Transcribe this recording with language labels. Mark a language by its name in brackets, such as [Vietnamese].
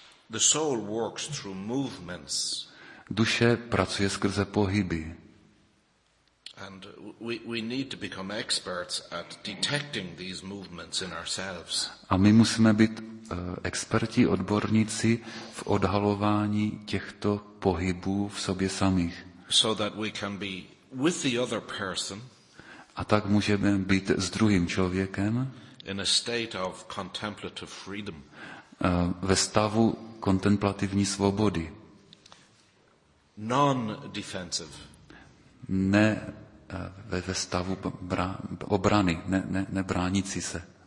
[English] The soul works through movements. [Czech] Duše pracuje skrze pohyby. [English] And we need to become experts at detecting these movements in ourselves. [Czech] A my musíme být experti, odborníci v odhalování těchto pohybů v sobě samých. [English] So that we can be with the other person. [Czech] A tak můžeme být s druhým člověkem. [English] In a state of contemplative freedom. [Czech] Ve stavu kontemplativní svobody. [English] Non-defensive. [Czech] Ne ve stavu obrany, ne bránící se.